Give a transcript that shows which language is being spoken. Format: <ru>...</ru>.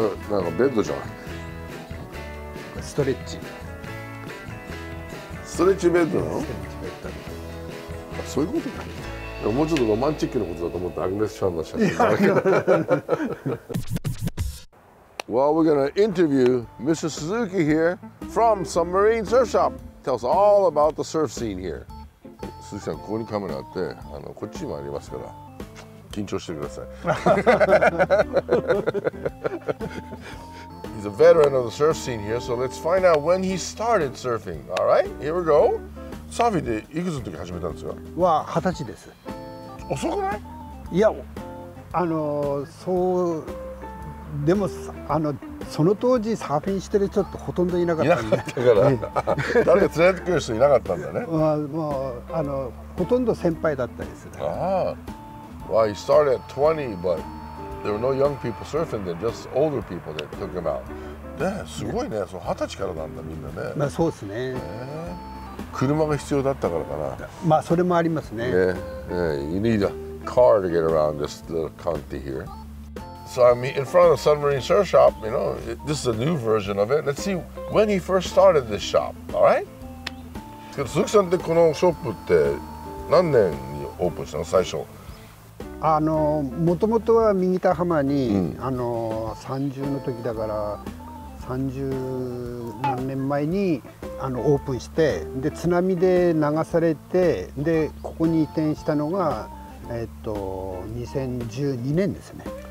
<ja>なんかベッドじゃん。ストレッチ。ストレッチベッドなの？ストレッチベッド。あ、そういうことか。もうちょっとロマンチックなことだと思って、アグネスちゃんの写真だけど。</ja> <en>Well, we're going to interview Mr. Suzuki here from Submarine Surf Shop. Tell us all about the surf scene here.</en> <ja>Suzuki さん、ここにカメラあって、あのこっちにもありますから、緊張してください。</ja> <en>He's a veteran of the surf scene here, so let's find out when he started surfing. All right, here we go.</en> <ja>サーフィンでいくつの時始めたんですか？は、20歳です。遅くない？いや、あの、そう、でも、あの、その当時サーフィンしてる人ってほとんどいなかったんで。いなかったから、誰か連れてくる人いなかったんだね。まあ、もう、あの、ほとんど先輩だったですね。ああ。</ja> <en>Well, he started at 20, but there were no young people surfing then, just older people that took him out.</en> <ja>ね、すごいね、その20歳からなんだ、みんなね。まあ、そうですね。車が必要だったからかな。まあ、それもありますね。</ja> <en>Yeah, yeah, you need a car to get around this little county here. So I'm in front of the Submarine Surf Shop. You know, this is a new version of it. Let's see when he first started this shop. All right?</en> <ja>鈴木さんってこのショップって何年にオープンしたの最初？あの、もともとは右田浜に、うん、あの30の時だから30何年前にあのオープンして、で津波で流されて、でここに移転したのが、2012年ですね。</ja>